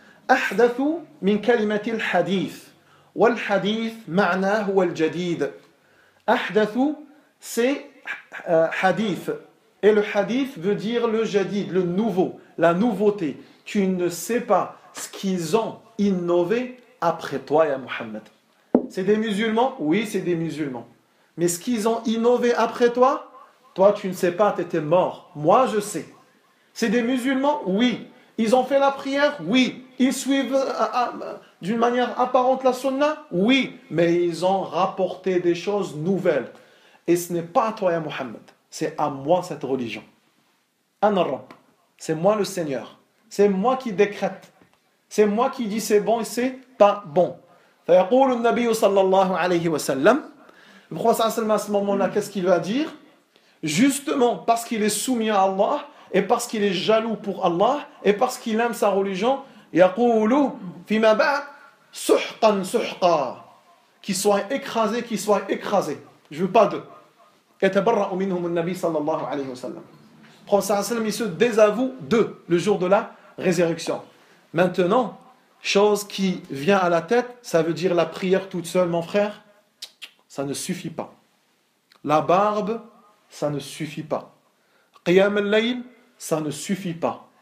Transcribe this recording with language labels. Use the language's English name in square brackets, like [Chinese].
[Arabic] احدثوا من كلمه الحديث والحديث معناه هو الجديد احدثوا [French] c'est حديث et le hadith veut dire le jadid le nouveau. La nouveauté, tu ne sais pas ce qu'ils ont innové après toi, ya Muhammad. C'est des musulmans? Oui, c'est des musulmans. Mais ce qu'ils ont innové après toi, toi tu ne sais pas, tu étais mort. Moi je sais. C'est des musulmans? Oui. Ils ont fait la prière? Oui. Ils suivent d'une manière apparente la sunna? Oui. Mais ils ont rapporté des choses nouvelles. Et ce n'est pas à toi, ya Muhammad. C'est à moi cette religion. Anarab. C'est moi le Seigneur. C'est moi qui décrète. C'est moi qui dis c'est bon et c'est pas bon. [Arabic] فيقول النبي صلى الله عليه وسلم. [French] Le prophète صلى الله عليه وسلم à ce moment-là, qu'est-ce qu'il va dire? Justement parce qu'il est soumis à Allah et parce qu'il est jaloux pour Allah et parce qu'il aime sa religion. [Arabic] يقول فيما بعد سحقا سحقا. [French] Qu'il soit écrasé, qu'il soit écrasé. Je veux pas d'eux. [Arabic] يتبرأ منهم النبي صلى الله عليه وسلم. [French] Le prophète, il se désavoue d'eux le jour de la résurrection. Maintenant, chose qui vient à la tête, ça veut dire la prière toute seule, mon frère, ça ne suffit pas. La barbe, ça ne suffit pas. Qiyam al-layl, ça ne suffit pas.